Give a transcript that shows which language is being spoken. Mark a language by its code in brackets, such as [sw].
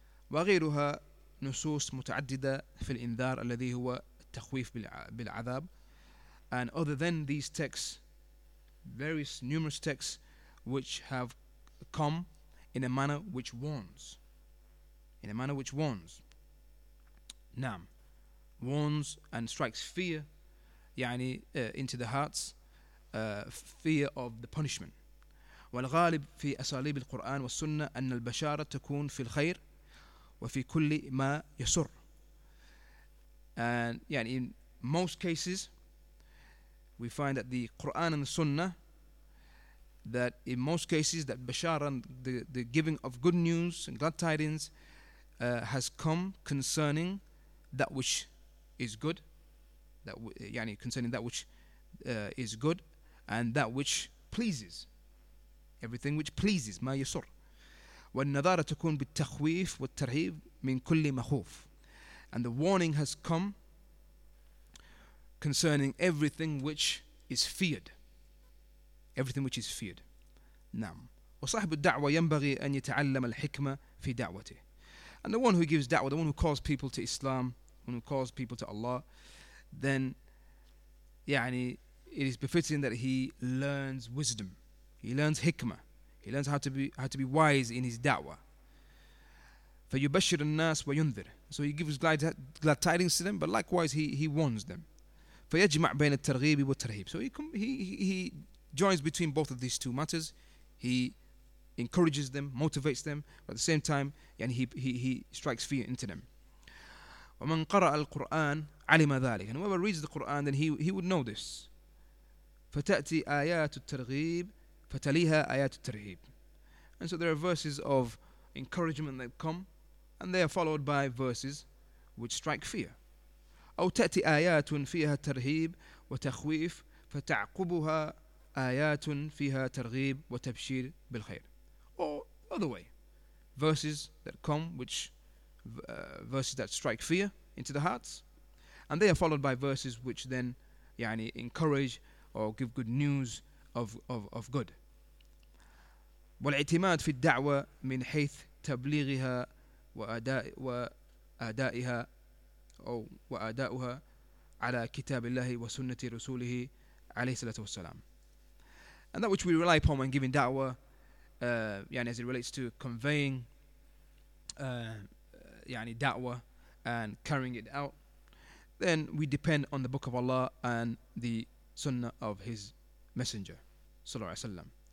[ar] وغيرها نصوص متعددة في الإنذار الذي هو التخويف بالعذاب. [en] And other than these texts, various numerous texts which have come in a manner which warns. In a manner which warns. Naam. Warns and strikes fear into the hearts, fear of the punishment. [ar] والغالب في أساليب القرآن والسنة أن البشارة تكون في الخير وفي كل ما يسر. [en] And in most cases, we find that the Quran and the Sunnah, that in most cases that Bashara, the giving of good news and glad tidings, has come concerning that which is good, concerning that which is good, and that which pleases, everything which pleases, [ar] ما يسر. والنذارة تكون بالتخويف والترهيب من كل مخوف, [en] and the warning has come concerning everything which is feared. Everything which is feared. [ar] نعم. وصاحب الدعوة ينبغي أن يتعلم الحكمة في دعوته. [en] And the one who gives da'wah, the one who calls people to Islam, the one who calls people to Allah, then it is befitting that he learns wisdom. He learns hikmah. He learns how to be wise in his da'wah. [ar] فيبشر الناس وينذر. [en] So he gives glad tidings to them, but likewise he warns them. [ar] فيجمع بين الترغيب والترهيب. [en] So he joins between both of these two matters. He encourages them, motivates them, but at the same time, he strikes fear into them. [ar] ومن قرأ القرآن علم ذلك. [en] And whoever reads the Quran, then he would know this. [ar] فتأتي آيات الترغيب فتليها آيات الترهيب. [en] And so there are verses of encouragement that come, and they are followed by verses which strike fear. [ar] أو تأتي آيات فيها ترهيب وتخويف فتعقبها آيات فيها ترغيب وتبشير بالخير. [en] Or other way, verses that come, which verses that strike fear into the hearts, and they are followed by verses which then, [ar] يعني, [en] encourage or give good news of good. [ar] والاعتماد في الدعوة من حيث تبليغها وأدائها أو وأداؤها على كتاب الله وسنة رسوله عليه الصلاة والسلام. [en] And that which we rely upon when giving da'wah, [ar] يعني, [en] as it relates to conveying يعني, da'wah and carrying it out, then we depend on the Book of Allah and the Sunnah of His Messenger, sallallahu alayhi wa sallam.